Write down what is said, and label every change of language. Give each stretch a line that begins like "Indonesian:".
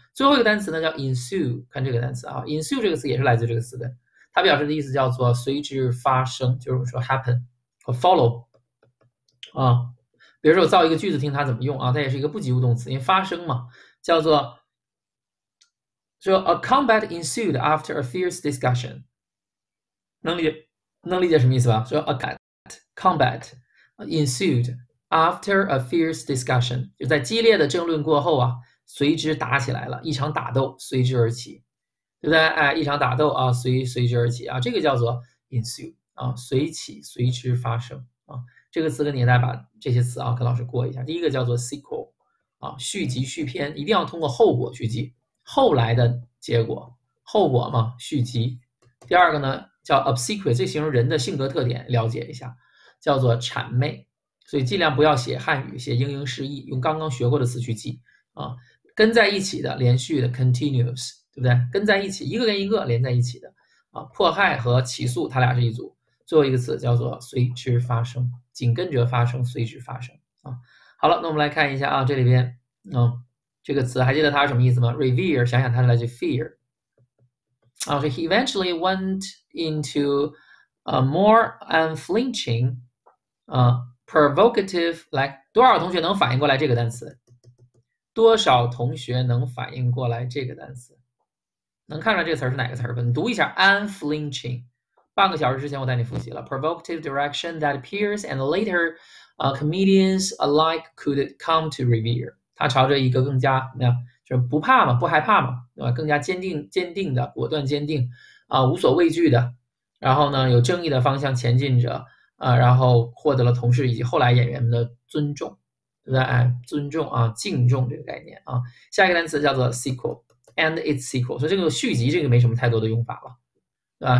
Chinese: 最后一个单词呢叫 ensue，看这个单词啊，ensue 这个词也是来自这个词的，它表示的意思叫做随之发生，就是我们说 happen 和 follow 啊。比如说我造一个句子，听它怎么用啊？它也是一个不及物动词，因为发生嘛，叫做。说、
English: so, a combat ensued after a fierce discussion，能理解什么意思吧？
Chinese: 说、
English: so, a combat ensued after a fierce discussion，
Chinese: 就在激烈的争论过后啊，随之打起来了，一场打斗随之而起，对不对？哎，一场打斗啊，随之而起啊，这个叫做 ensue 啊，随起随之发生啊，这个词跟你大家把这些词啊跟老师过一下。第一个叫做 sequel 啊，续集续篇，一定要通过后果去记。后来的结果，后果嘛，续集。第二个呢，叫 obsequious，这形容人的性格特点，了解一下，叫做谄媚。所以尽量不要写汉语，写英英释义，用刚刚学过的词去记啊。跟在一起的，连续的，continuous，对不对？跟在一起，一个跟一个连在一起的啊。迫害和起诉，它俩是一组。最后一个词叫做随之发生，紧跟着发生，随之发生啊。好了，那我们来看一下啊，这里边，这个词还记得它是什么意思吗？Revere，想想它的来自 fear。啊，是
English: he eventually went into a more unflinching, provocative。
Chinese: 来，多少同学能反应过来这个单词？多少同学能反应过来这个单词？能看出来这个词是哪个词吧？你读一下 unflinching。半个小时之前我带你复习了
English: provocative direction that peers and later, comedians alike could come to revere。
Chinese: 他朝着一个更加怎么样，就是不怕嘛，不害怕嘛，对吧？更加坚定的，果断坚定，无所畏惧的，然后呢，有正义的方向前进着，然后获得了同事以及后来演员们的尊重，对不对？哎，尊重啊，敬重这个概念啊。下一个单词叫做 sequel，
English: and its sequel，
Chinese: 所以这个续集这个没什么太多的用法了，对吧？